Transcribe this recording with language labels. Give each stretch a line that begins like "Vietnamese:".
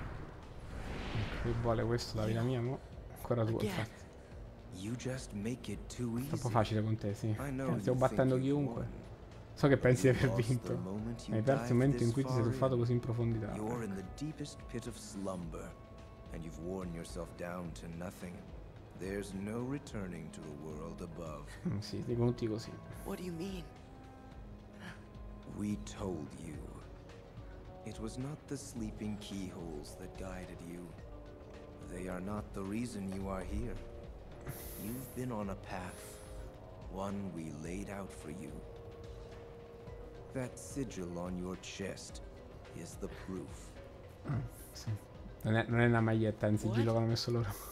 Italian: Ecco, che vuole questo da vita mia, mo? Ancora tu, infatti. Troppo facile con te, sì. Stiamo battendo chiunque. So che pensi di aver vinto. Hai perso il momento in cui ti sei tuffato così in profondità.
English: You're in the deepest pit of slumber, and you've worn yourself down to nothing. There's no returning to the world above.
Italian: Sì, sei venuti così.
English: What do you mean? We told you. It was not the sleeping keyholes that guided you. They are not the reason you are here. You've been on a path, one we laid out for you. That sigil on your chest is the proof.
Italian: Sì. Non è una maglietta, è un sigillo che hanno messo loro.